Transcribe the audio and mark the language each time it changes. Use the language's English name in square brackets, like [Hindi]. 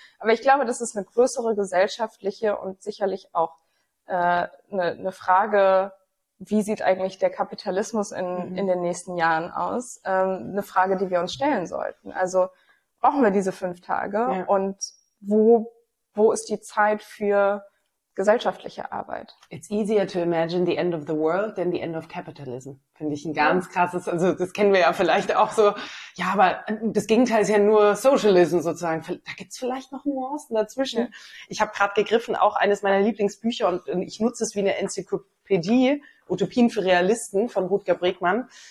[German] Aber ich glaube, das ist eine größere gesellschaftliche und sicherlich auch eine Frage, wie sieht eigentlich der Kapitalismus in den nächsten Jahren aus? Eine Frage, die wir uns stellen sollten. Also brauchen wir diese 5 Tage? Ja. Und wo ist die Zeit für gesellschaftliche Arbeit? [English] It's easier to imagine the end of the world than the end of capitalism. [German] Finde ich ein ganz krasses, also das kennen wir ja vielleicht auch so. Ja, aber das Gegenteil ist ja nur Socialism sozusagen. Da gibt's vielleicht noch Nuancen dazwischen. Ja. Ich habe gerade gegriffen, auch eines meiner Lieblingsbücher, und ich nutze es wie eine Enzyklopädie, Utopien für Realisten von Rutger Bregmann.